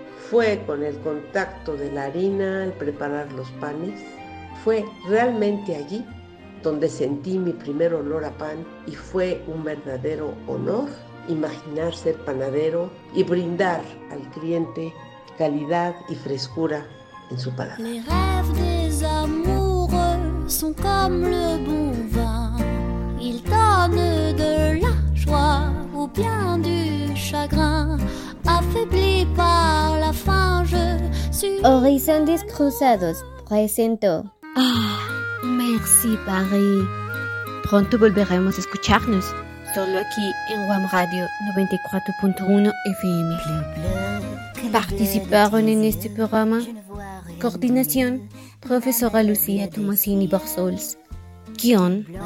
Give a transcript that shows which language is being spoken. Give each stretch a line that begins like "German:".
Spanish: Fue con el contacto de la harina al preparar los panes, fue realmente allí donde sentí mi primer olor a pan y fue un verdadero honor imaginar ser panadero y brindar al cliente calidad y frescura en su paladar.
French: Les rêves des amoureux sont comme le bon vin. Il donne de la joie ou bien du chagrin, affaibli par la faim, je suis... Horizontes Cruzados presentó... Oh, merci, Paris.
Spanish: Pronto volveremos a escucharnos. Solo aquí en WAM Radio 94.1 FM. Participaron en este programa coordinación profesora Lucía Tomasini Borsols, guión